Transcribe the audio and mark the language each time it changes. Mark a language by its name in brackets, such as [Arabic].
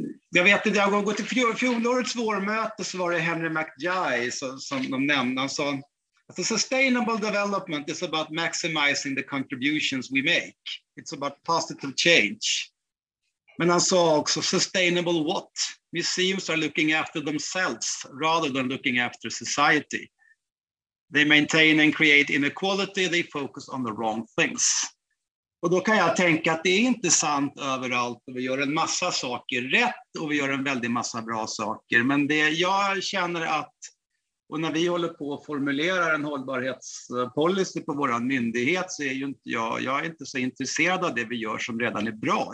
[Swedish] Jag vet inte, jag har gått till fjolårets vårmöte, så var det Henry McJai som de nämnde. Han sa, [English] sustainable development is about maximizing the contributions we make. It's about positive change. [Swedish] Men han sa också, [English] sustainable what? Museums are looking after themselves rather than looking after society. They maintain and create inequality, they focus on the wrong things. [Swedish] Och då kan jag tänka att det är inte sant överallt och vi gör en massa saker rätt och vi gör en väldigt massa bra saker. Men det jag känner att, och när vi håller på att formulera en hållbarhetspolicy på vår myndighet, så är ju inte jag är inte så intresserad av det vi gör som redan är bra.